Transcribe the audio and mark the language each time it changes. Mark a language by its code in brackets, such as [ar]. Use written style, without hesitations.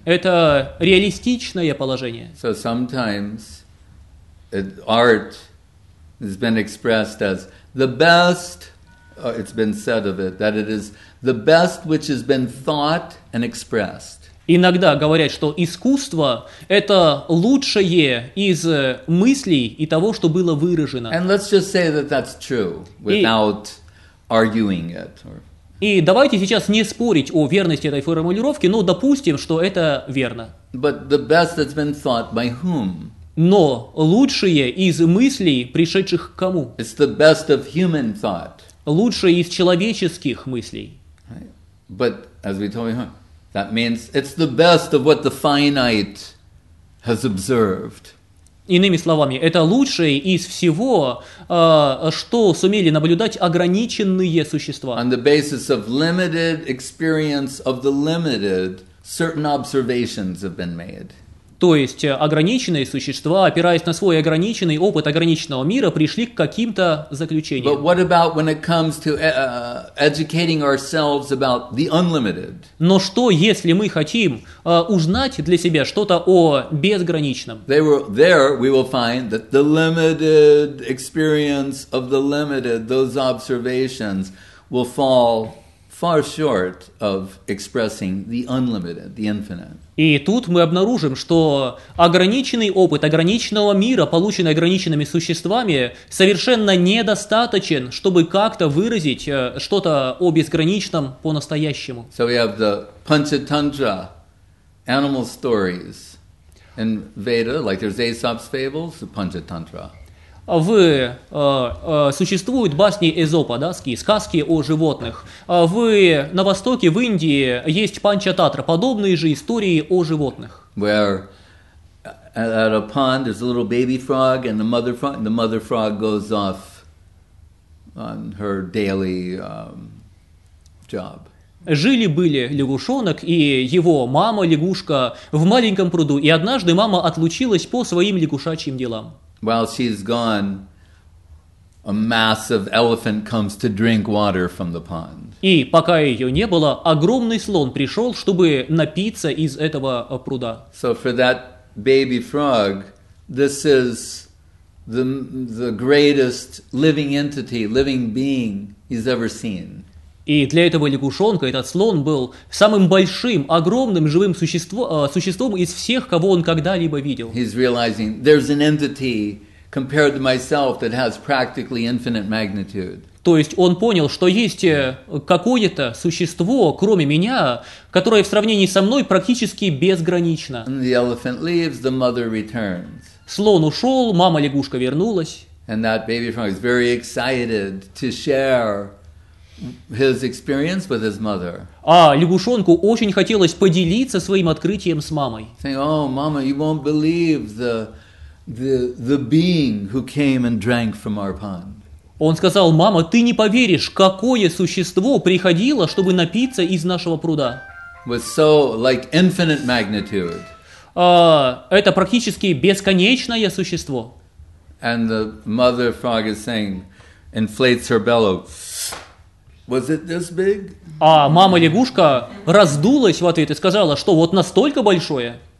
[ru] Это реалистичное положение. [en] So sometimes art has been expressed as the best. It's been said of it that it is the best which has been thought and expressed. [ru] Иногда говорят, что искусство – это лучшее из мыслей и того, что было выражено. [en] And let's just say that that's true without arguing it. [ru] И давайте сейчас не спорить о верности этой формулировки, но допустим, что это верно. [en] But the best that's been thought by whom? [ru] Но лучшее из мыслей, пришедших к кому? [en] It's the best of human thought. [ru] Лучшее из человеческих мыслей. [en] But as we told you, that means it's the best of what the finite has observed. [ru] Иными словами, это лучшее из всего, что сумели наблюдать ограниченные существа. [en] On the basis of limited experience of the limited, certain observations have been made. [ru] То есть ограниченные существа, опираясь на свой ограниченный опыт ограниченного мира, пришли к каким-то заключениям. [en] But what about when it comes to educating ourselves about the unlimited? [ru] Но что, если мы хотим узнать для себя что-то о безграничном? [en] There we will find that the limited experience of the limited, those observations, will fall far short of expressing the unlimited, the infinite. [ru] И тут мы обнаружим, что ограниченный опыт ограниченного мира, полученный ограниченными существами, совершенно недостаточен, чтобы как-то выразить что-то о безграничном по-настоящему. [en] So we have the Panchatantra animal stories in Veda, like there's Aesop's fables, the Panchatantra. [ru] существуют басни Эзопа, да, сказки о животных. На востоке, в Индии, есть Панчататра, подобные же истории о животных. [en] Where at a pond is a little baby frog, and the mother frog goes off on her daily job. [ru] Жили-были лягушонок и его мама-лягушка в маленьком пруду, и однажды мама отлучилась по своим лягушачьим делам. [en] While she's gone, a massive elephant comes to drink water from the pond. [ru] И пока ее не было, огромный слон пришел, чтобы напиться из этого пруда. [en] So for that baby frog, this is the greatest living entity, living being he's ever seen. [ru] И для этого лягушонка этот слон был самым большим, огромным живым существом из всех, кого он когда-либо видел. [en] He's realizing there's an entity compared to myself that has practically infinite magnitude. [ru] То есть он понял, что есть какое-то существо, кроме меня, которое в сравнении со мной практически безгранично. [en] And the elephant leaves, the mother returns. [ru] Слон ушел, мама-лягушка вернулась. [en] And that baby frog is very excited to share his experience with his mother. [ru] А лягушонку очень хотелось поделиться своим открытием с мамой. [en] Saying, "Oh, mama, you won't believe the being who came and drank from our pond." [ru] Он сказал: "Мама, ты не поверишь, какое существо приходило, чтобы напиться из нашего пруда." [en] With so like infinite magnitude. [ru] Это практически бесконечное существо. [en] And the mother frog is saying, inflates her bellow. Was it this big? [ru] А мама лягушка раздулась в ответ и сказала, что вот настолько большое.